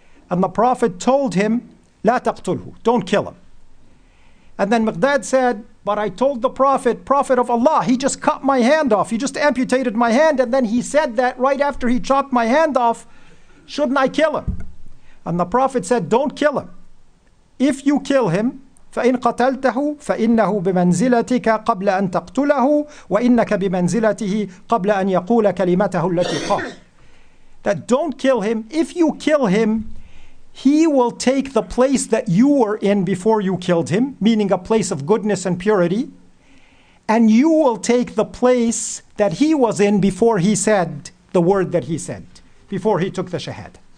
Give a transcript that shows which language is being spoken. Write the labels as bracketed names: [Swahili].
[English] And the Prophet told him, [Arabic] la taqtulhu, [English] don't kill him. And then Miqdad said, but I told the Prophet of Allah, he just cut my hand off, he just amputated my hand, and then he said that right after he chopped my hand off, shouldn't I kill him? And the Prophet said, don't kill him. If you kill him, [Arabic] فَإِنْ قَتَلْتَهُ فَإِنَّهُ بِمَنْزِلَتِكَ قَبْلَ أَنْ تَقْتُلَهُ وَإِنَّكَ بِمَنْزِلَتِهِ قَبْلَ أَنْ يَقُولَ كَلِمَتَهُ الَّتِي قَالَ. [English] That don't kill him. If you kill him, he will take the place that you were in before you killed him, meaning a place of goodness and purity, and you will take the place that he was in before he said the word that he said, before he took the shahad.